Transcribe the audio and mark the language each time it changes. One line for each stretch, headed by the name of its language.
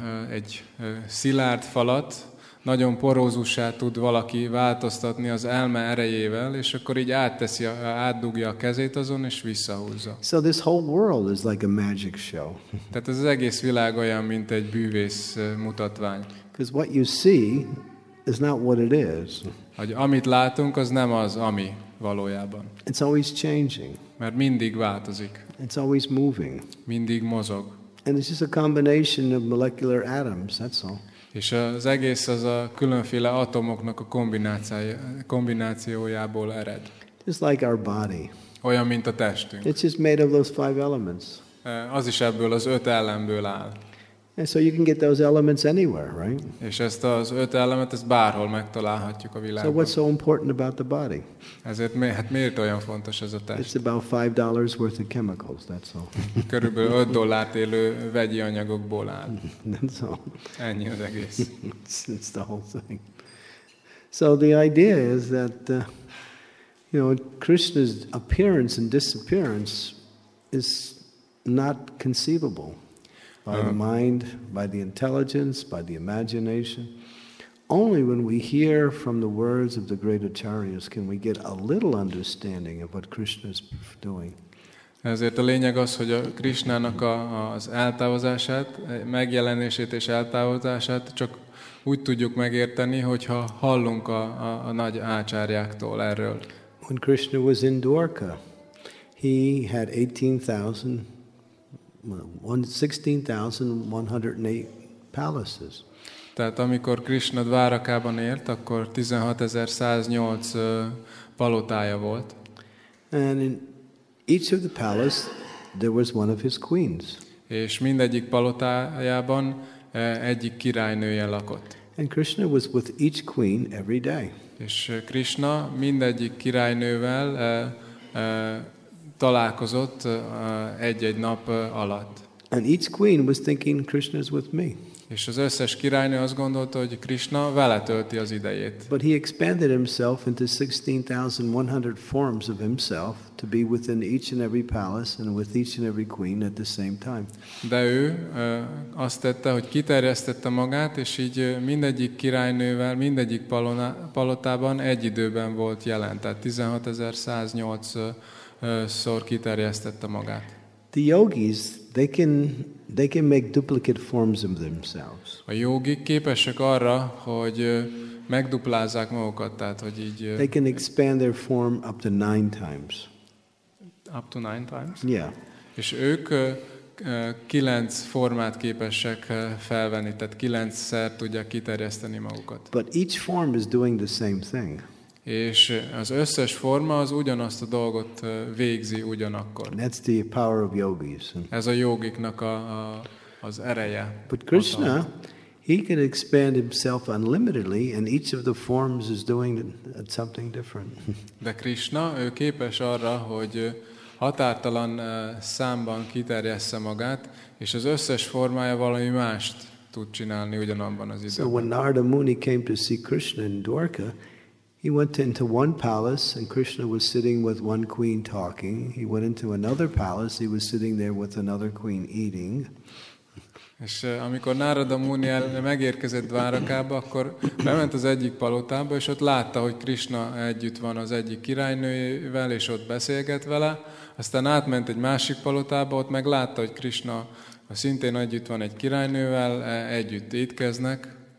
Hungarian: Egy szilárd falat nagyon porózussá tud valaki változtatni az elme erejével, és akkor így átteszi, átdugja a kezét azon, és visszahúzza.
English: So this whole world is like a magic show.
Hungarian: Tehát az egész világ olyan, mint egy bűvész mutatvány.
English: Because what you see is not what it is.
Hungarian: Hogy amit látunk, az nem az, ami valójában.
English: It's always changing.
Hungarian: Mert mindig változik.
English: It's always moving.
Hungarian: Mindig mozog.
English: And it's just a combination of molecular atoms, that's all.
Hungarian: És az egész az a különféle atomoknak a kombinációjából ered.
English: Just like our body.
Hungarian: Olyan, mint a testünk.
English: It's just made of those five elements.
Hungarian: Az is ebből az öt elemből áll.
English: And so you can get those elements anywhere, right?
Hungarian: És ezt az öt elemet, ezt bárhol megtalálhatjuk a világban.
English: So what's so important about the body?
Hungarian: Ezért hát miért olyan fontos ez a test?
English: It's about $5 worth of chemicals, that's all.
Hungarian: Körülbelül $5 élő vegyi anyagokból áll.
English: That's all.
Hungarian: Ennyi az egész.
English: It's the whole thing. So the idea is that, you know, Krishna's appearance and disappearance is not conceivable. By the mind, by the intelligence, by the imagination. Only when we hear from the words of the great acharyas can we get a little understanding of what Krishna is doing.
Hungarian: Ezért a lényeg az, hogy a Krishnának az eltávozását, megjelenését és eltávozását csak úgy tudjuk megérteni, hogyha hallunk a nagy ácsárjáktól erről.
English: When Krishna was in Dwarka, he had 18,000 16,108 palaces.
Hungarian: Tehát amikor Krishna Dvárakában élt, akkor 16,108 palotája volt.
English: And in each of the palace there was one of his queens.
Hungarian: És mindegyik palotájában egyik királynője lakott.
English: And Krishna was with each queen every day.
Hungarian: És Krishna mindegyik királynővel találkozott egy-egy nap alatt.
English: And each queen was thinking Krishna's with me.
Hungarian: És az összes királynő azt gondolta, hogy Krishna vele tölti az idejét.
English: But he expanded himself into 16,100 forms of himself to be within each and every palace and with each and every queen at the same time.
Hungarian: De ő azt tette, hogy kiterjesztette magát, és így mindegyik királynővel, mindegyik palotában egy időben volt jelen. Tehát 16,108 szor kiterjesztette magát.
English: The yogis, they can make duplicate forms of themselves.
Hungarian: A yogik képesek arra, hogy megduplázzák magukat, tehát hogy így.
English: They can expand their form up to 9 times. Up to 9 times? Yeah.
Hungarian: És ők 9 formát képesek felvenni, tehát 9-szer tudják kiterjeszteni magukat.
English: But each form is doing the same thing.
Hungarian: És az összes forma az ugyanazt a dolgot végzi ugyanakkor.
English: That's the power of yogis.
Hungarian: Ez a yogiknak az ereje.
English: But Krishna, he can expand himself unlimitedly, and each of the forms is doing something different.
Hungarian: De Krishna, ő képes arra, hogy határtalan számban kiterjessze magát, és az összes formája valami mást tud csinálni ugyanabban az időben.
English: So when Narada Muni came to see Krishna in Dwarka, he went into one palace and Krishna was sitting with one queen talking. He went into another palace, he was sitting there with another queen eating.
Hungarian: És amikor Narada Muni megérkezett Dvárakába, akkor bement az egyik palotába, és ott látta, hogy Krishna együtt van az egyik királynőjével, és ott beszélget vele. Aztán átment egy másik palotába, ott meg látta, hogy Krishna szintén együtt van egy királynővel, együtt étkeznek.